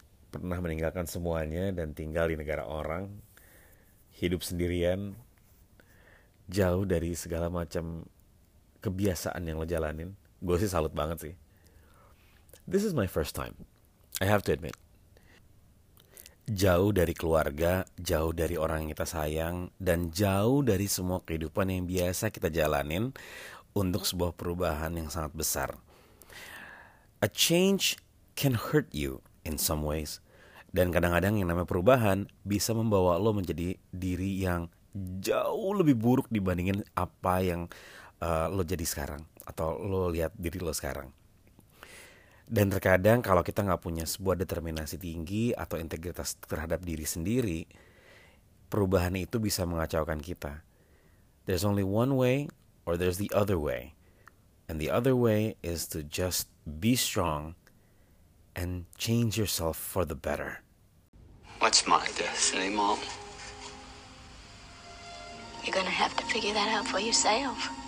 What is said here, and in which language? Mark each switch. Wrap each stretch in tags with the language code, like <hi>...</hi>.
<id>Pernah meninggalkan semuanya dan tinggal di negara orang, hidup sendirian, jauh dari segala macam kebiasaan yang lo jalanin. Gue sih salut banget sih.</id> <en>This is my first time, I have to admit.</en> <id>Jauh dari keluarga, jauh dari orang yang kita sayang, dan jauh dari semua kehidupan yang biasa kita jalanin untuk sebuah perubahan yang sangat besar.</id> <en>A change can hurt you in some ways.</en> <id>Dan kadang-kadang yang namanya perubahan bisa membawa lo menjadi diri yang jauh lebih buruk dibandingin apa yang lo jadi sekarang atau lo lihat diri lo sekarang. Dan terkadang kalau kita gak punya sebuah determinasi tinggi atau integritas terhadap diri sendiri, perubahan itu bisa mengacaukan kita.</id> <en>There's only one way or there's the other way. And the other way is to just be strong and change yourself for the better. What's my destiny, Mom? You're gonna have to figure that out for yourself.</en>